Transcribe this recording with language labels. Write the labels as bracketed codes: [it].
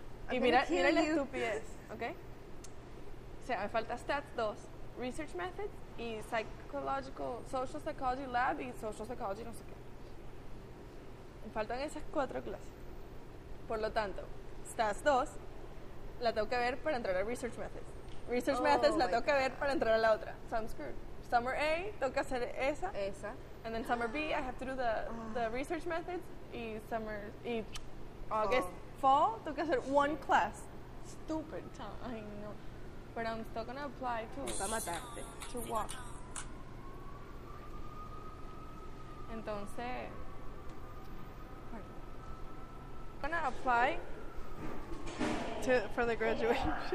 [es] Y mira la estupidez, ¿ok? O sea, me falta stats 2, research methods y social psychology lab y social psychology no sé qué. Me faltan esas 4 clases. Por lo tanto, Stats 2 la tengo que ver para entrar a Research Methods. Methods la tengo que ver para entrar a la otra. [en] So I'm screwed. Summer A, [es] tengo que hacer esa. Esa. [en] And then Summer B, I have to do the Research Methods. [es] Y August, fall, tengo que hacer [en] one class. Stupid. [es] Ay, no. [en] But I'm still gonna apply to... [es] Va a matarte. [en] To what? [es] Entonces... [en] I'm gonna apply... for the graduation.